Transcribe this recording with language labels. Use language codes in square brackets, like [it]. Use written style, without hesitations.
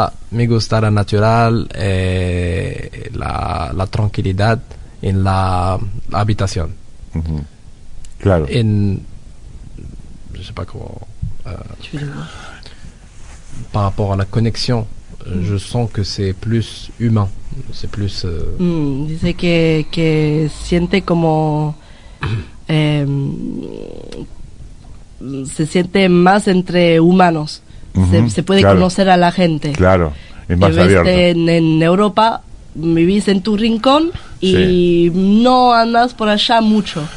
[es] me gusta la natural, la tranquilidad en la habitación. Uh-huh. Claro. En, no sé cómo, [fr] par rapport a [es] la conexión. [fr] Je sens que c'est plus humain, c'est plus... [es] Dice que siente como... se siente más entre humanos, uh-huh, se puede claro. conocer a la gente. Claro, es más abierto. En Europa vivís en tu rincón y sí. no andas por allá mucho.